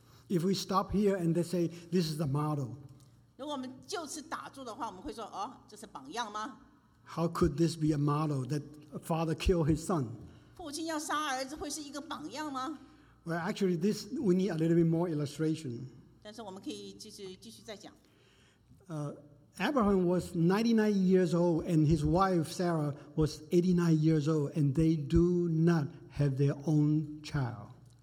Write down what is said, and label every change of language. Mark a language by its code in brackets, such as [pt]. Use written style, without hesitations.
[en] If we stop here and they say, this is the model. [zh] 如果我们就此打住的话，我们会说，哦，这是榜样吗？ [en] How could this be a model that a father killed his son? [zh] 父亲要杀儿子会是一个榜样吗？ [en] Well, actually, this we need a little bit more illustration. [zh] 但是我们可以继续再讲。 [en] Abraham was 99 years old and his wife Sarah was 89 years old and they do not have their own child.